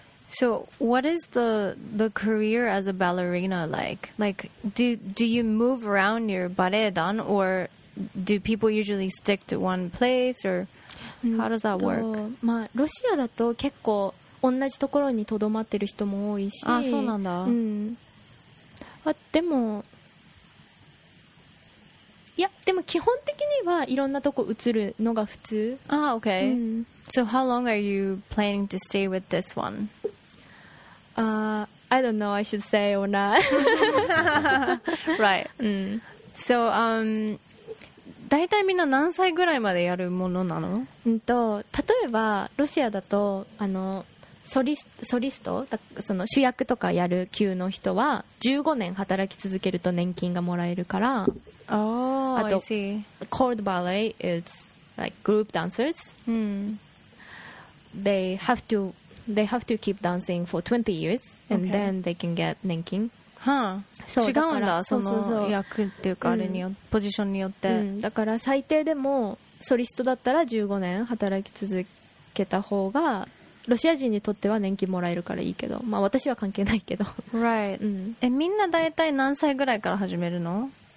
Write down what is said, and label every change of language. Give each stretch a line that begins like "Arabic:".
English: So what is the career as a ballerina like? Like do you move around your ballet-dan or do people usually stick to one place or how does that work?
Japanese: まあ、ロシアだと結構同じところにとどまってる人も多いし。あ、そうなんだ。うん。あ、でも、いや、でも基本的にはいろんなとこ移るのが普通。あ、OK。うん。
English: So how long are you planning to stay with this one? I don't know, I should say or not. right. Mm.
Japanese: So, だいたいみんな何歳ぐらいまでやるものなの？例えばロシアだとあのソリストその主役とかやる級の人は15年働き続けると年金がもらえるから。
English: Oh,
Japanese: あと
English: I see. Cold ballet is like group dancers. Mm. They have to keep dancing for 20 years and okay. then they can get nenkin.
Japanese: Huh. 違うんだ。その役っていうかあれによって、ポジションによって。だから最低でもソリストだったら15年働き続けた方がロシア人にとっては年金もらえるからいいけど、まあ私は関係ないけど。
English: Right.
Japanese: うん。え、みんな大体何歳ぐらいから始めるの？